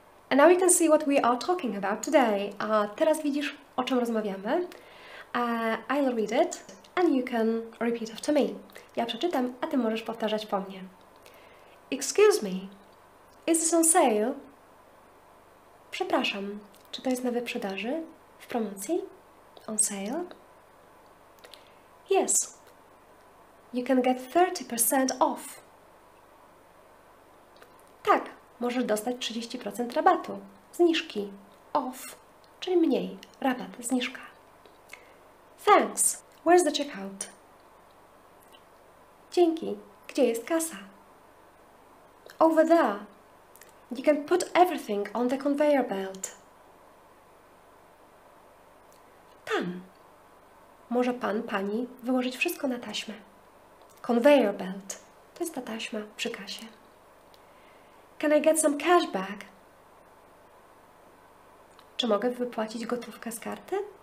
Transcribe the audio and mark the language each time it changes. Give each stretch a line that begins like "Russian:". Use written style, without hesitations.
English: And now you can see what we are talking about today.
Polish: A teraz widzisz, o czym rozmawiamy.
English: I'll read it. And you can repeat after me.
Polish: Ja przeczytam, a ty możesz powtarzać po mnie.
English: Excuse me. Is this on sale?
Polish: Przepraszam. Czy to jest na wyprzedaży? W promocji?
English: On sale? Yes. You can get 30% off.
Polish: Tak. Możesz dostać 30% rabatu. Zniżki. Off. Czyli mniej. Rabat. Zniżka.
English: Thanks. Where's the checkout?
Polish: Dzięki. Gdzie jest kasa?
English: Over there. You can put everything on the conveyor belt.
Polish: Tam. Może pan, pani wyłożyć wszystko na taśmę. Conveyor belt. To jest ta taśma przy kasie.
English: Can I get some cash back?
Polish: Czy mogę wypłacić gotówkę z karty?